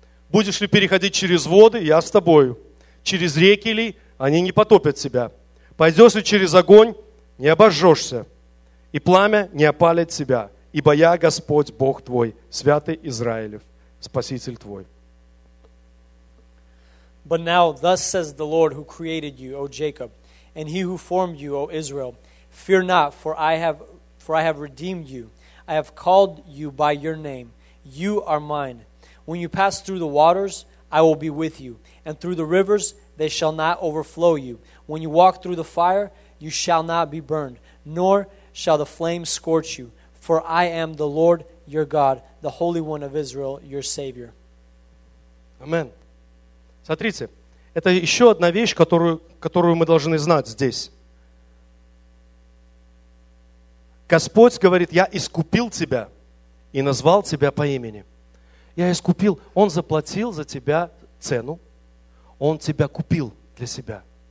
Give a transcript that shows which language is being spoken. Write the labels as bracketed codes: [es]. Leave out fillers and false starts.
[ru] Будешь ли переходить через воды, я с тобою. Через реки ли, они не потопят тебя. Пойдешь ли через огонь, не обожжешься, и пламя не опалит тебя, ибо я Господь Бог твой, святый Израилев, Спаситель твой». [en] But now thus says the Lord who created you, O Jacob, and he who formed you, O Israel, fear not, for I have redeemed you. I have called you by your name. You are mine. When you pass through the waters, I will be with you, and through the rivers, they shall not overflow you. When you walk through the fire, you shall not be burned, nor shall the flame scorch you. For I am the Lord your God, the Holy One of Israel, your Savior. Amen. [ru] Смотрите, это еще одна вещь, которую мы должны знать здесь. Господь говорит, я искупил тебя и назвал тебя по имени. Я искупил. Он заплатил за тебя цену. Он тебя купил для себя.